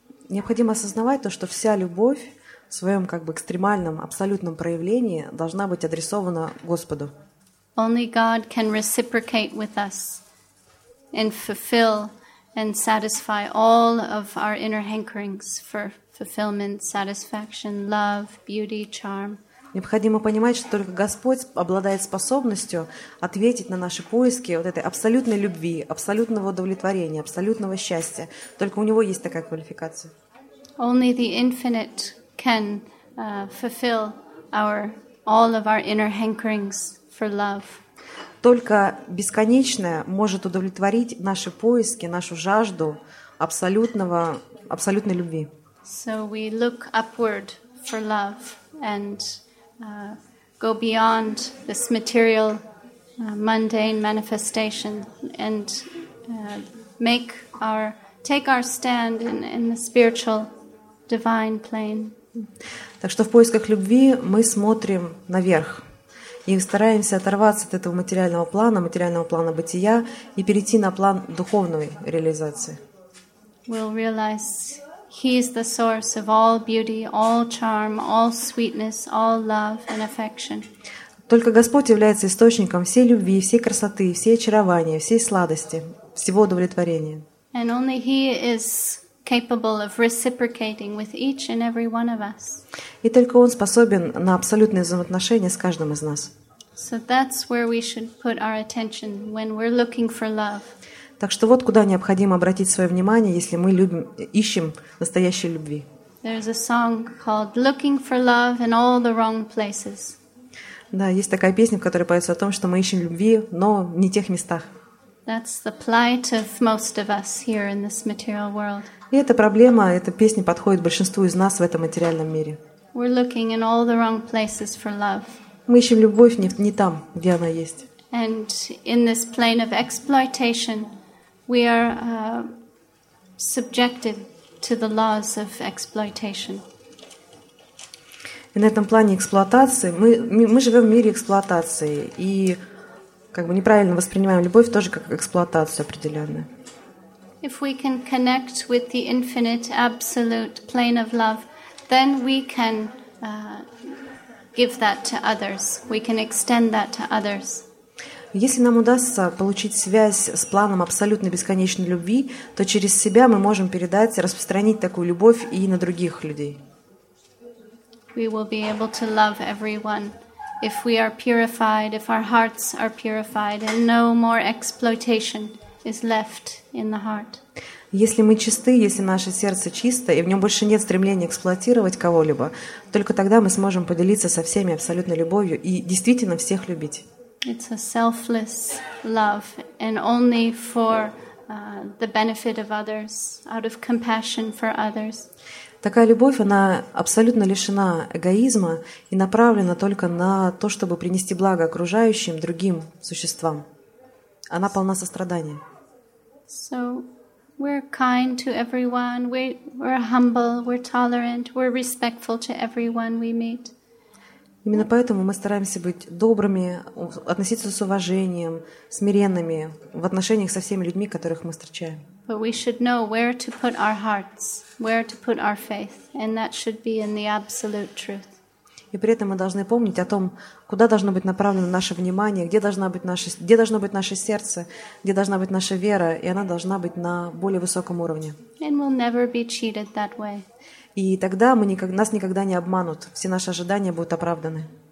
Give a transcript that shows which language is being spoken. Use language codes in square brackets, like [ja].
[ru] Необходимо осознавать то, что вся любовь в своем как бы экстремальном, абсолютном проявлении должна быть адресована Господу. [en] Only God can reciprocate with us and fulfill and satisfy all of our inner hankerings for fulfillment, satisfaction, love, beauty, charm. [ru] Необходимо понимать, что только Господь обладает способностью ответить на наши поиски вот этой абсолютной любви, абсолютного удовлетворения, абсолютного счастья. Только у Него есть такая квалификация. [en] Only the infinite can fulfill our, all of our inner hankerings for love. [ru] Только бесконечное может удовлетворить наши поиски, нашу жажду абсолютного, абсолютной любви. [en] So we look upward for love and go beyond this material, mundane manifestation and make our, take our stand in the spiritual, divine plane. [ru] Так что в поисках любви мы смотрим наверх. И стараемся оторваться от этого материального плана бытия и перейти на план духовной реализации. [en] We'll realize He is the source of all beauty, all charm, all sweetness, all love and affection. [ru] Только Господь является источником всей любви, всей красоты, всей очарования, всей сладости, всего удовлетворения. [en] And only He is capable of reciprocating with each and every one of us. [ru] И только Он способен на абсолютные взаимоотношения с каждым из нас. [en] So that's where we should put our attention when we're looking for love. [ru] Так что вот куда необходимо обратить свое внимание, если мы любим, ищем настоящей любви. [en] There's a song called "Looking for Love in All the Wrong Places". [ru] Да, есть такая песня, в которой поется о том, что мы ищем любви, но не в тех местах. [en] That's the plight of most of us here in this material world. [ru] И эта проблема, эта песня подходит большинству из нас в этом материальном мире. [en] We're looking in all the wrong places for love. [ru] Мы ищем любовь не там, где она есть. [en] And in this plane of exploitation, we are subjected to the laws of exploitation. [ru] И на этом плане эксплуатации мы живем в мире эксплуатации и как бы неправильно воспринимаем любовь тоже как эксплуатацию определенную. [en] If we can connect with the infinite, absolute plane of love, then we can give that to others. We can extend that to others. [ru] Если нам удастся получить связь с планом абсолютной бесконечной любви, то через себя мы можем передать, распространить такую любовь и на других людей. [en] We will be able to love everyone if we are purified, if our hearts are purified, and no more exploitation is left in the heart. [ru] Если мы чисты, если наше сердце чисто, и в нем больше нет стремления эксплуатировать кого-либо, только тогда мы сможем поделиться со всеми абсолютной любовью и действительно всех любить. [en] It's a selfless love, and only for the benefit of others, out of compassion for others. [ru] Такая любовь, она абсолютно лишена эгоизма и направлена только на то, чтобы принести благо окружающим, другим существам. Она полна сострадания. [en] So we're kind to everyone. We're humble. We're tolerant. We're respectful to everyone we meet. [ru] Именно поэтому мы стараемся быть добрыми, относиться с уважением, смиренными в отношениях со всеми людьми, которых мы встречаем. [en] But we should know where to put our hearts, where to put our faith, and that should be in the absolute truth. [ru] И при этом мы должны помнить о том, куда должно быть направлено наше внимание, где должно быть наше сердце, где должна быть наша вера, и она должна быть на более высоком уровне. [en] And we'll never be cheated that way. [ru] И тогда мы нас никогда не обманут. Все наши ожидания будут оправданы.